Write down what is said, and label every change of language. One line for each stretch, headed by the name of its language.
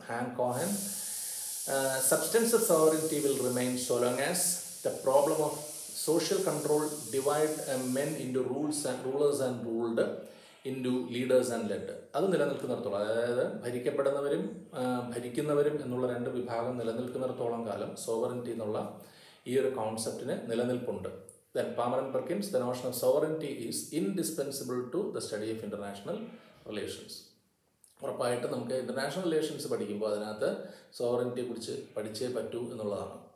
English: Hans Kohn, substance of sovereignty will remain so long as the problem of social control divide men into rules and rulers and ruled into leaders and led.
Malayalam: അത് നിലനിൽക്കുന്നിടത്തോളം, അതായത് ഭരിക്കപ്പെടുന്നവരും ഭരിക്കുന്നവരും എന്നുള്ള രണ്ട് വിഭാഗം നിലനിൽക്കുന്നിടത്തോളം കാലം sovereignty എന്നുള്ള ഈ ഒരു കോൺസെപ്റ്റിന് നിലനിൽപ്പുണ്ട്.
English: Then Palmer and Perkins, the notion of sovereignty is indispensable to the study of international relations.
Malayalam: ഉറപ്പായിട്ട് നമുക്ക് ഇൻ്റർനാഷണൽ റിലേഷൻസ് പഠിക്കുമ്പോൾ അതിനകത്ത് സോവറിറ്റിയെ കുറിച്ച് പഠിച്ചേ പറ്റൂ എന്നുള്ളതാണ്.